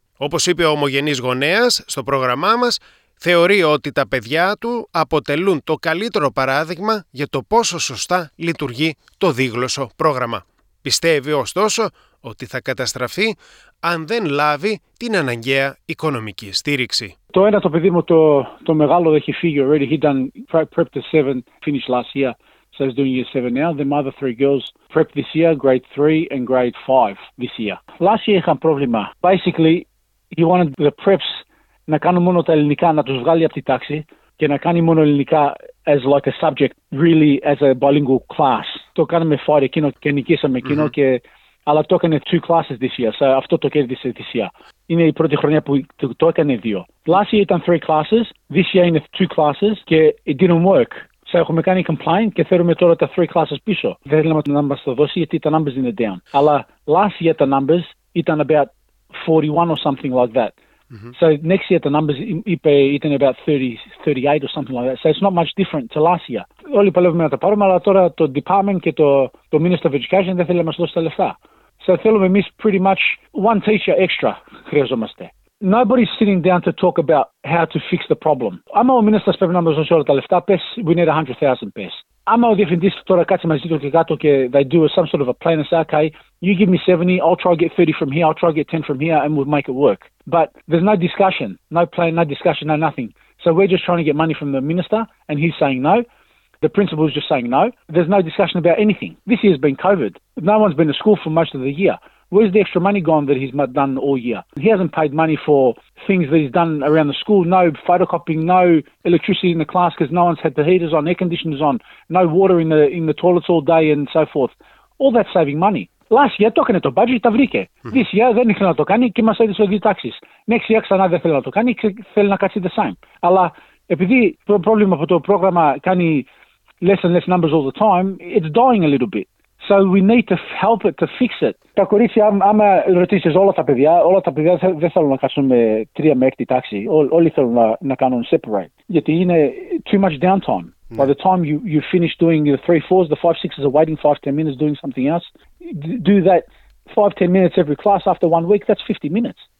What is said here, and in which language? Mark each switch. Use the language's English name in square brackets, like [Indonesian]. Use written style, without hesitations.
[Greek] Όπως είπε ο ομογενής γονέας, στο πρόγραμμά μας θεωρεί ότι τα παιδιά του αποτελούν το καλύτερο παράδειγμα για το πόσο σωστά λειτουργεί το δίγλωσσο πρόγραμμα. Πιστεύει ωστόσο ότι θα καταστραφεί αν δεν λάβει την αναγκαία οικονομική στήριξη. Το ένα το παιδί μου, το μεγάλο, έχει φύγει [English] already. He done prep to 7, finished last year. So he's doing year 7 now. The mother, three girls, prep this year, grade 3 and grade 5 this year. Last year [Greek] είχαν πρόβλημα. [English] Basically, he wanted the preps [Greek] να κάνουν μόνο τα ελληνικά, να τους βγάλει από τη τάξη και να κάνει μόνο ελληνικά [English] as like a subject, really as a bilingual class. [Greek] Το κάναμε φάρι εκείνο και νικήσαμε εκείνο και... Αλλά το έκανε [English] 2 classes this year, [Greek] so αυτό το κέρδισε [English] this year. [Greek] Είναι η πρώτη χρονιά που το έκανε 2. [English] Last year [Greek] ήταν 3 [English] classes, this year [Greek] είναι 2 [English] classes και it didn't work. [Greek] So έχουμε κάνει complaint και θέλουμε τώρα τα 3 classes πίσω. Δεν θέλαμε τα numbers θα δώσει γιατί τα numbers είναι down. Αλλά [English] last year τα numbers ήταν about 41 or something like that. So next year the numbers [Greek] είπε ήταν [English] about 38 or something like that. So it's not much different to last year. [Greek] Όλοι παλεύουμε να τα πάρουμε, αλλά τώρα το department και το Minister of Education δεν θέλει να μας δώσει τα λεφτά. [English] So [Greek] θέλουμε εμείς [English] pretty much one teacher extra [Greek] χρειαζόμαστε. [English] Nobody's sitting down to talk about how to fix the problem. [Greek] Άμα ο Ministers πρέπει να μας δώσει όλα τα λεφτά, πες, [English] we need 100,000 pes. [Greek] Άμα ο διευθυντής τώρα κάτσε μαζί του και κάτω [English] και they do some sort of a plan and say, okay, you give me 70, I'll try to get 30 from here, I'll try to get 10 from here and we'll make it work. But there's no discussion, no plan, no discussion, no nothing. So we're just trying to get money from the minister and he's saying no. The principal's just saying no. There's no discussion about anything. This year's been COVID. No one's been to school for most of the year. Where's the extra money gone that he's done all year? He hasn't paid money for things that he's done around the school. No photocopying, no electricity in the class because no one's had the heaters on, air conditioners on, no water in the toilets all day and so forth. All that saving money. Last year, [Greek] το έκανε το budget, τα βρήκε. [English] This year, [Greek] δεν ήθελε να το κάνει και μας έδωσε δύο τάξεις. [English] Next year, [Greek] ξανά δεν θέλει να το κάνει και θέλει να κάτσει [English] the same. [Greek] Αλλά επειδή το πρόβλημα από το πρόγραμμα κάνει [English] less and less numbers all the time, it's dying a little bit. So we need to help it, to fix it. [Greek] Τα κορίτσια, άμα ρωτήσεις όλα τα παιδιά δεν θέλουν να κάτσουν με 3 με 6 τάξη. Όλοι θέλουν να κάνουν separate. Γιατί είναι [English] too much downtime. Yeah. By the time you finish doing your 3-4s, the 5-6s are waiting 5-10 minutes doing something else. Do that 5-10 minutes every class after 1 week, that's 50 minutes.